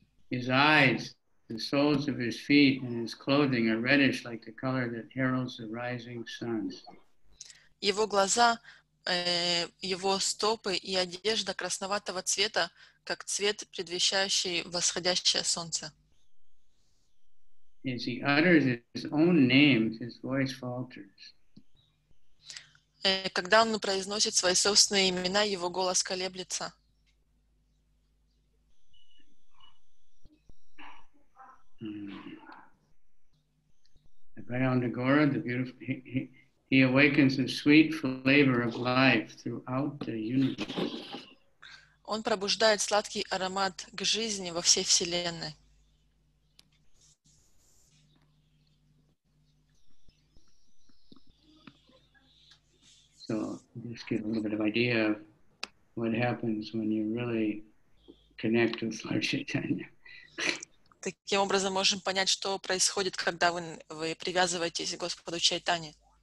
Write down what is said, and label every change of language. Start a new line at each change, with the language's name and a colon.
English: His eyes, the soles of his feet, and his clothing are reddish like the color that heralds the rising sun.
Russian: Его глаза, его стопы и одежда красноватого цвета, как цвет, предвещающий восходящее солнце.
English: As he utters his own name, his voice falters.
Russian: Когда он произносит свои собственные имена, его голос колеблется.
English: I bow down to Gaura, the beautiful. He awakens the sweet flavor of life throughout the universe.
Russian: Он пробуждает сладкий аромат к жизни во всей вселенной.
English: So just get a little bit of idea of what happens when you really connect with Lord Chaitanya.
Russian: Таким образом можем понять, что происходит, когда вы привязываетесь к Господу Чайтане.